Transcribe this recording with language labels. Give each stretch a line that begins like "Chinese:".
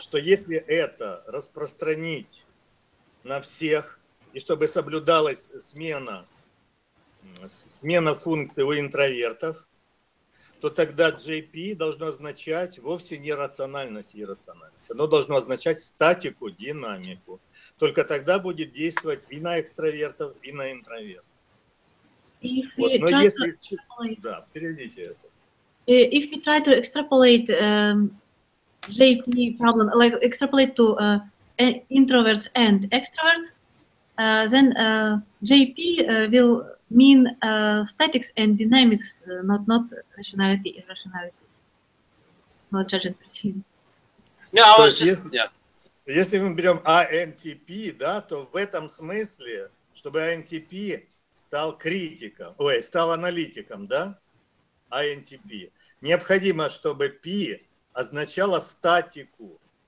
Russian: Что если это распространить на всех, и чтобы соблюдалась смена функций у интровертов, то тогда JP должно означать вовсе не рациональность и иррациональность. Оно должно означать статику, динамику. Только тогда будет действовать и на экстравертов, и на интровертов.
English: If we try to extrapolate JP problem, like extrapolate to introverts and extroverts, then JP will mean statics and dynamics, not rationality, irrationality. Not judging perceiving. No, I was just, yeah.
Russian: Если мы берем INTp, да, то в этом смысле, чтобы INTp стал критиком, ой, стал аналитиком, да, INTP. Необходимо, чтобы P означало статику.